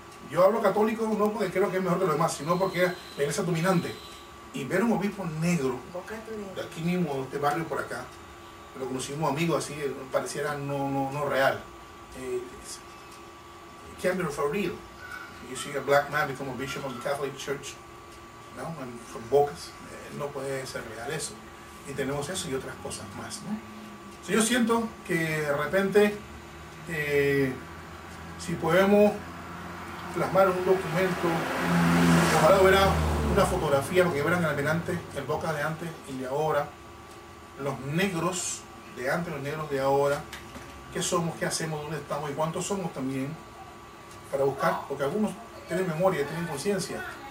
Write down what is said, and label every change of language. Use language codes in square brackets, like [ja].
[es] Yo hablo católico no porque creo que es mejor que los demás, sino porque es la iglesia dominante. Y ver un obispo negro, bocatoreño, de aquí mismo, de este barrio por acá, lo conocimos amigo así, pareciera no real. [en] Kendall for real. You see a black man become a bishop of the Catholic Church. [es] ¿No? Con bocas, no puede ser real eso. Y tenemos eso y otras cosas más, ¿no? Si yo siento que de repente, si podemos plasmar un documento, ojalá hubiera una fotografía, porque verán en adelante, el Boca de antes y de ahora, los negros de antes, los negros de ahora, qué somos, qué hacemos, dónde estamos y cuántos somos también, para buscar, porque algunos tienen memoria, tienen conciencia.